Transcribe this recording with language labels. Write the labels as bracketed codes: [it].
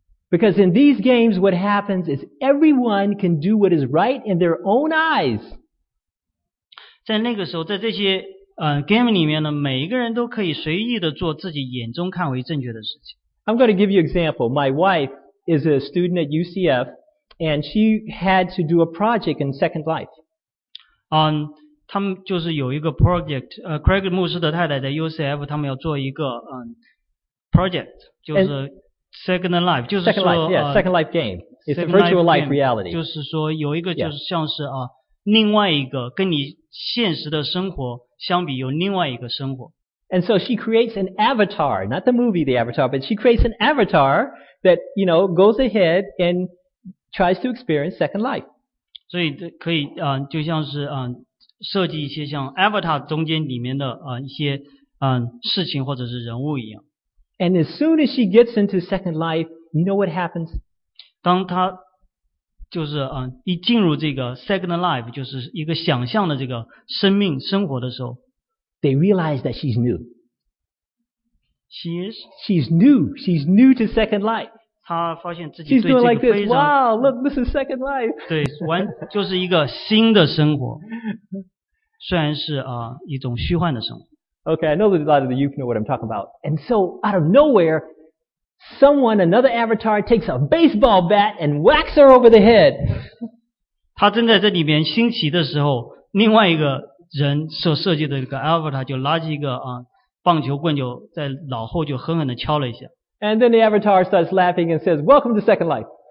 [en] Because in these games, what happens is everyone can do what is right in their own eyes. [zh] 在那个时候，在这些game 里面呢，每一个人都可以随意的做自己眼中看为正确的事情。 [en] I'm going to give you an example. My wife is a student at UCF, and she had to do a project in Second Life. [zh] 他们就是有一个 project. Craig 牧师的太太在 UCF, 他们要做一个project, 就是。Second Life, 就是说 [en] Second Life game. It's a virtual life reality. [zh] 就是说有一个就是像是另外一个跟你现实的生活相比有另外一个生活。 [en] And so she creates an avatar, not the movie The Avatar, but she creates an avatar that, you know, goes ahead and tries to experience Second Life. [zh] 所以可以就像是设计一些像 Avatar 中间里面的一些事情或者是人物一样。 [en] And as soon as she gets into Second Life, you know what happens? [zh] 当她就是一进入这个 Second Life, 就是一个想象的这个生命生活的时候 [en] ,They realize that she's new. She is? She's new. She's new to Second Life. [zh] 她发现自己对这个非常 [en] She's doing like this. Wow, look, this is Second Life. [zh] 对完就是一个新的生活。虽然是一种虚幻的生活。 [en] Okay, I know that a lot of the youth know what I'm talking about. And so, out of nowhere, someone, another avatar, takes a baseball bat and whacks her over the head. [zh] 他正在这里面兴起的时候，另外一个人所设计的一个 avatar 就拉起一个棒球棍，就在脑后就狠狠地敲了一下。 [en] And then the avatar starts laughing and says, "Welcome to Second Life."